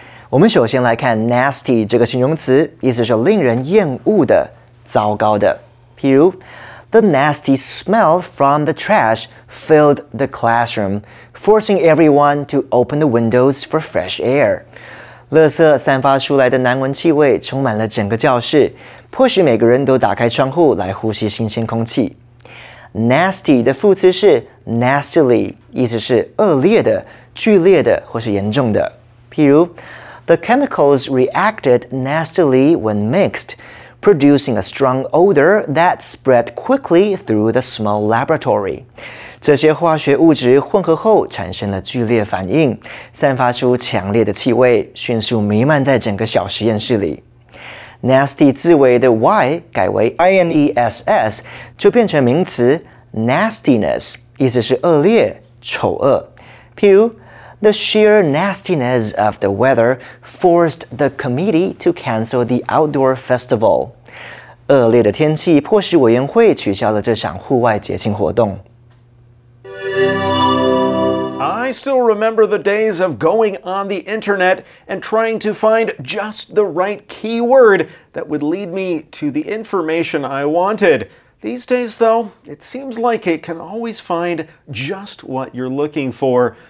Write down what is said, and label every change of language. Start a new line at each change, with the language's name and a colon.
Chinese: 我们首先来看 nasty 这个形容词，意思是令人厌恶的、糟糕的。譬如
English: ，The nasty smell from the trash filled the classroom, forcing everyone to open the windows for fresh air.
Chinese: 垃圾散发出来的难闻气味充满了整个教室，迫使每个人都打开窗户来呼吸新鲜空气。 Nasty 的副词是 nastily， 意思是恶劣的、剧烈的或是严重的。譬如
English: ，The chemicals reacted nastily when mixed, producing a strong odor that spread quickly through the small laboratory.
Chinese: 这些化学物质混合后产生了剧烈反应，散发出强烈的气味，迅速弥漫在整个小实验室里。 Nasty 字尾的 y 改为 ness， 就变成名词 nastiness， 意思是恶劣、丑恶。譬如
English: ，The sheer nastiness of the weather forced the committee to cancel the outdoor festival。
Chinese: 恶劣的天气迫使委员会取消了这场户外节庆活动。
English: I still remember the days of going on the internet and trying to find just the right keyword that would lead me to the information I wanted. These days, though, it seems like it can always find just what you're looking for.